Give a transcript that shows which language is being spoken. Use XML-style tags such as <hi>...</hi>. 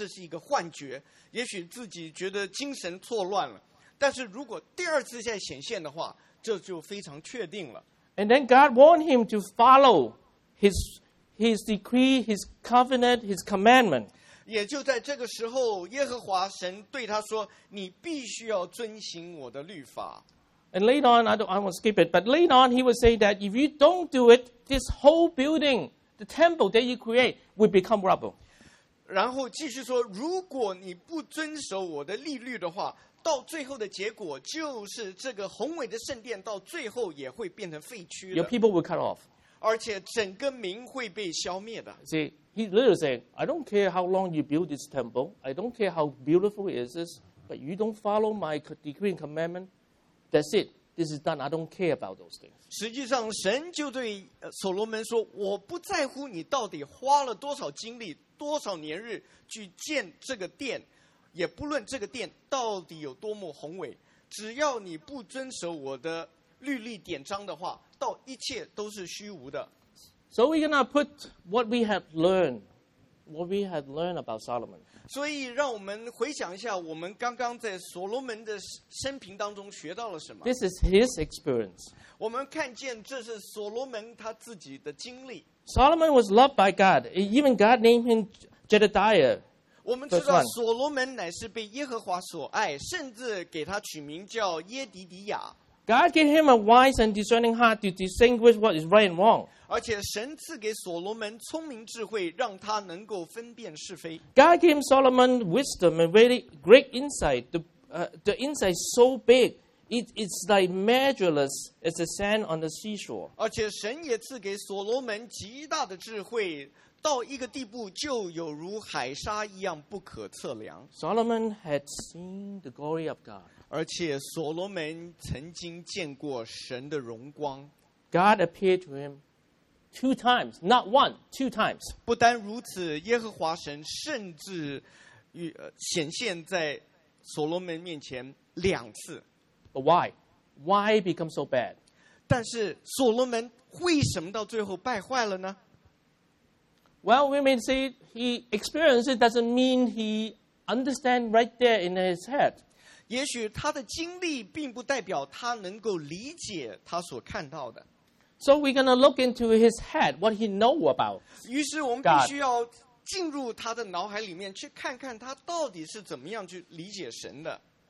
<zh>大家想象，如果耶和华神向各位显现第一次的话，大家之后也许觉得这是一个幻觉，也许自己觉得精神错乱了。但是如果第二次再显现的话，这就非常确定了。</zh> <en>And then God warned him to follow his decree, his covenant, his commandment.</en> <zh>也就在这个时候，耶和华神对他说：“你必须要遵行我的律法。”</zh> <en>And later on, I won't skip it, but later on he would say that if you don't do it, this whole building, the temple that you create, will become rubble.</en> <zh>然后继续说，如果你不遵守我的律例的话，到最后的结果就是这个宏伟的圣殿到最后也会变成废墟了。</zh> <en>Your people will cut off.</en> <zh>而且整个民会被消灭的。</zh> <en>See, he literally said, I don't care how long you build this temple, I don't care how beautiful it is this, but you don't follow my decree and commandment, that's it. This is done. I don't care about those things.</en> <zh>实际上神就对所罗门说，我不在乎你到底花了多少精力，多少年日去建这个殿，也不论这个殿到底有多么宏伟，只要你不遵守我的律例典章的话，到一切都是虚无的。</zh> <en>So we're gonna put what we have learned, what we have learned about Solomon.</en> <zh>所以让我们回想一下，我们刚刚在所罗门的生平当中学到了什么。</zh> <en>This is his experience.</en> <zh>我们看见这是所罗门他自己的经历。</zh> <en>Solomon was loved by God. Even God named him Jedediah.</en> <zh>我们知道所罗门乃是被耶和华所爱，甚至给他取名叫耶底底亚。</zh> <en>God gave him a wise and discerning heart to distinguish what is right and wrong.</en> <zh>而且神赐给所罗门聪明智慧，让他能够分辨是非。</zh> <en>God gave Solomon wisdom and really great insight. The insight is so big, it's like measureless as the sand on the seashore.</en> <zh>而且神也赐给所罗门极大的智慧，到一个地步就有如海沙一样不可测量。</zh> <en>Solomon had seen the glory of God.</en> <zh>而且所罗门曾经见过神的荣光。</zh> <en>God appeared to him two times, not one, two times.</en> <zh>不单如此，耶和华神甚至与显现在所罗门面前两次。</zh> <en>But why? Why become so bad?</en> <zh>但是所罗门为什么到最后败坏了呢？</zh> <en>Well, we may say he experienced it doesn't mean he understands right there in his head.</en> <zh>也许他的经历并不代表他能够理解他所看到的。</zh> <en>So we're going to look into his head, what he knows about God.</en> <zh>于是我们必须要进入他的脑海里面去看看他到底是怎么样去理解神的。</zh>